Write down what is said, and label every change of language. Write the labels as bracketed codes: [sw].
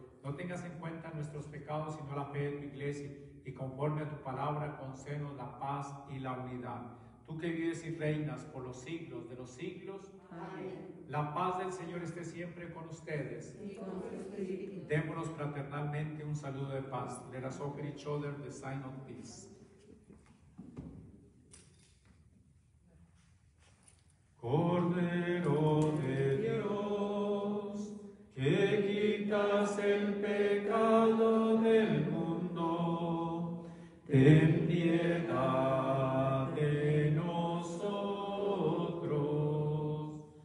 [es] No tengas en cuenta nuestros pecados, sino la fe de tu iglesia, y conforme a tu palabra, concédenos la paz y la unidad. Tú que vives y reinas por los siglos de los siglos. Amén. La paz del Señor esté siempre con ustedes. Y con su espíritu. Démonos fraternalmente un saludo de paz. [en] Let us offer each other the sign of peace. [es] Cordero de Dios, que quitas el pecado del mundo, ten piedad de nosotros.